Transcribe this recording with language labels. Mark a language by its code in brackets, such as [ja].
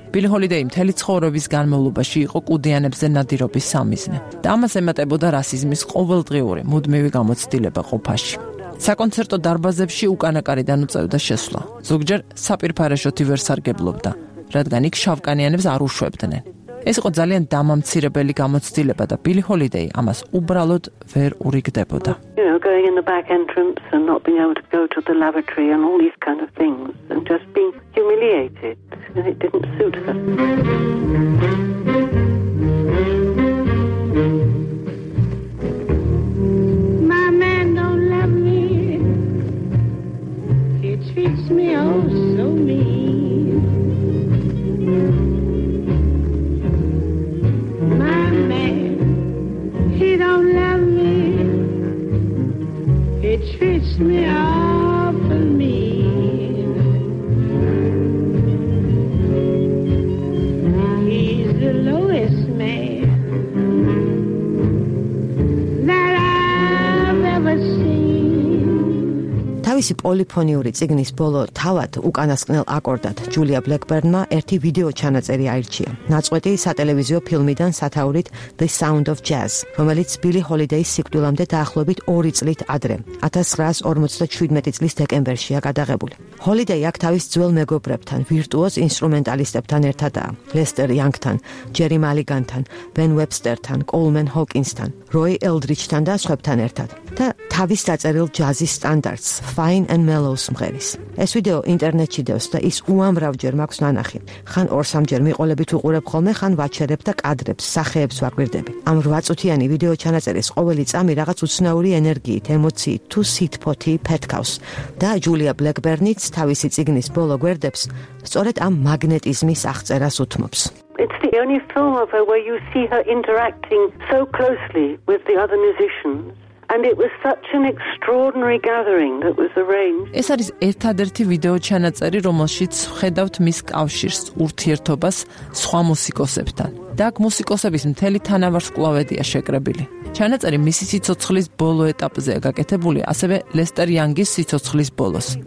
[ka] ბილი ჰოლიდეი მთელი ცხოვრების განმავლობაში იყო კუდიანებზე ნადირობის სამიზნე და ამას ემატებოდა რასიზმის ყოველდღიური მუდმივი გამოცდილება ყოფაში. საკონცერტო დარბაზებში უკანაკარიდან უწევდა შესვლა. ზოგჯერ საპირფარეშოთი ვერ სარგებლობდა, რადგან იქ შავკანიანებს არ უშვებდნენ. ეს იყო ძალიან დამამცირებელი გამოცდილება და ბილი ჰოლიდეი ამას უბრალოდ ვერ ურიგდებოდა. [en] Going in the back entrance and not being able to go to the lavatory and all these kind of things and just being humiliated, and it didn't suit her. My man don't love me, he treats me oh so mean. My man, he don't love me, he treats me awful mean. Now he's the lowest man that I've ever seen. [ka] ისი პოლიფონიური ციგნის ბოლო თავად უკანასკნელ აკორდად ჯულია ბლეკბერნმა ერთი ვიდეო ჩანაწერი აირჩია. ნაწყვეტი სატელევიზიო ფილმიდან სათაურით The Sound of Jazz, რომელიც ბილი ჰოლიდეის სიკვდილამდე დაახლოებით 2 წლით ადრე, 1957 წლის დეკემბერშია გადაღებული. ჰოლიდეი აქ თავის ძველ მეგობრებთან, ვირტუოზ ინსტრუმენტალისტებთან ერთადა: ლესტერ იანგთან, ჯერი მალიგანთან, ბენ ვებსტერთან, კოლმენ ჰოკინსთან, როი ელდრიჩთან და სხვებთან ერთად. და თავის დაწერილ ჯაზის სტანდარტს Fine and Mellow's მღერის. ეს ვიდეო ინტერნეტში დევს და ის უამრავჯერ მაქვს ნანახი. ხან 2-3 ჯერ მიყოლებით უყურებ ხოლმე, ხან ვაჩერებ და კადრებს, სახეებს ვაკვირდები. ამ 8 წუთიანი ვიდეო ჩანაწერის ყოველი წამი რაღაც უცნაური ენერგიით, ემოციით თუ სითფოთი ფეთქავს. და ჯულია ბლეკბერნიც თავისი წიგნის ბოლო გვერდებს სწორედ ამ მაგნეტიზმის აღწერას უთმობს. [en] It's the only film of her where you see her interacting so closely with the other musicians And it was such an extraordinary gathering that was arranged. [ka] ეს არის ერთადერთი ვიდეო ჩანაწერი, რომელშიც ხედავთ მის კავშირს, ურთიერთობას სხვა მუსიკოსებთან. და აქ მუსიკოსების მთელი თანავარსკვლავედია შეკრებილი. ჩანაწერი მისი სიცოცხლის ბოლო ეტაპზეა გაკეთებული, ასევე ლესტერ იანგის სიცოცხლის ბოლოს.